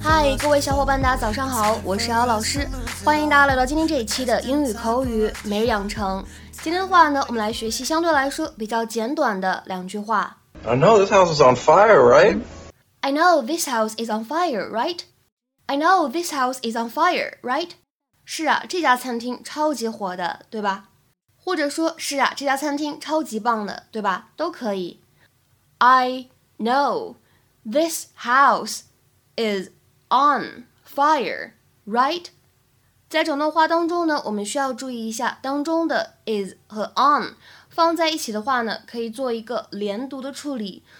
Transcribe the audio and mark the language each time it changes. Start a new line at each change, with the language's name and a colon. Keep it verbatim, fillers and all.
Chinese: 嗨，各位小伙伴，大家早上好，我是姚老师，欢迎大家来到今天这一期的英语口语每日养成。今天的话呢，我们来学习相对来说比较简短的两句话。
English: I know this house is on fire, right? I know this house is on fire, right? I know this house is on fire, right?
Chinese: 是啊，这家餐厅超级火的，对吧？或者说是啊，这家餐厅超级棒的，对吧？都可以。
English: I know this house is on fire, right?
Chinese: 在整段话当中呢，我们需要注意一下当中的 is 和 on 放在一起的话呢，可以做一个连读的处理。